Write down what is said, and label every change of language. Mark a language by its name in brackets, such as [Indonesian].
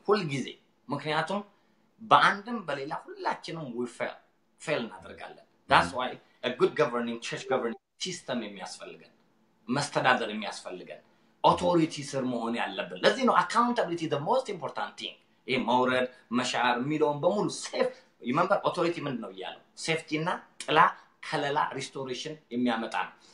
[Amharic] ሁሉ ጊዜ ምክንያቱም በአንድም በሌላ ሁላችንም [English] we fail. [Amharic] Fail እናደርጋለን. [English] That's why a good governing, church governing system [Amharic] የሚያስፈልገን. መስተዳደር የሚያስፈልገን. Authority ስር መሆን ያለብን. ለዚህ ነው [English] accountability the most important thing. [Amharic] ይህ መውረድ መሻር የሚለውን በሙሉ ሴፍ ይመንበር authority ምንድን ነው እያለው? ሴፍቲ እና ጥላ ከለላ restoration የሚያመጣ ነው.